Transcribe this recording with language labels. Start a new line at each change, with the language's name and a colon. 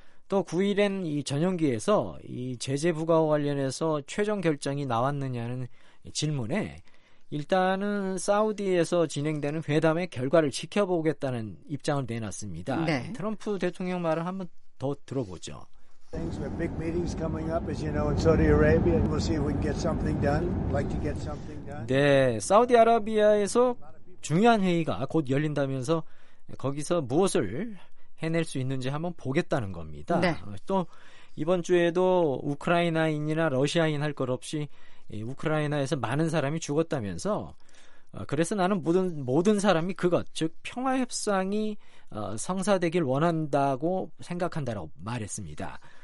Korean: 또 9일엔 이 전용기에서 이 제재 부과와 관련해서 최종 결정이 나왔느냐는 질문에 일단은 사우디에서 진행되는 회담의 결과를 지켜보겠다는 입장을 내놨습니다. 네. 트럼프 대통령 말을 한번 더 들어보죠.
English: Things with big meetings coming up, as you know, in Saudi Arabia. We'll see if we can get something done. Like to get something done.
Korean: 네, 사우디아라비아에서 중요한 회의가 곧 열린다면서 거기서 무엇을 해낼 수 있는지 한번 보겠다는 겁니다. 네. 또 이번 주에도 우크라이나인이나 러시아인 할 것 없이 우크라이나에서 많은 사람이 죽었다면서 그래서 나는 모든 사람이 그것, 즉 평화협상이 성사되길 원한다고 생각한다라고 말했습니다.